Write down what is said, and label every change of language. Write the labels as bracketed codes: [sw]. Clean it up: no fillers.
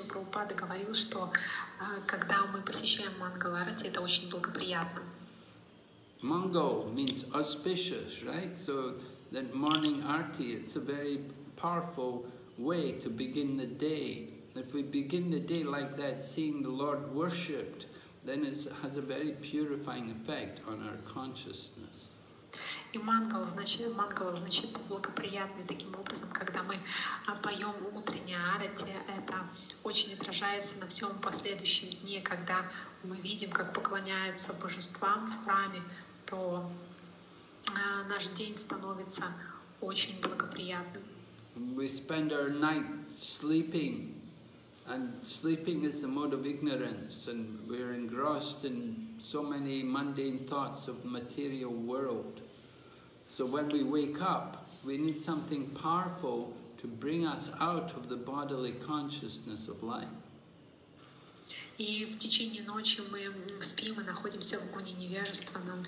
[ru] Прабхупада говорил, что когда мы посещаем мангаларати, это очень благоприятно. [en] Mangal means auspicious, right? So that morning arti, it's a very powerful way to begin the day. If we begin the day like that, seeing the Lord worshipped, then it has a very purifying effect on our consciousness. [ru] И мангала значит благоприятный. Таким образом, когда мы поем утренние арати, это очень отражается на всем последующем дне, когда мы видим, как поклоняются божествам в храме, то наш день становится очень благоприятным. [en] We spend our night sleeping, and sleeping is the mode of ignorance, and we're engrossed in so many mundane thoughts of the material world. So when we wake up, we need something powerful to bring us out of the bodily consciousness of life. [ru] И в течение ночи мы спим и находимся в гуне невежества.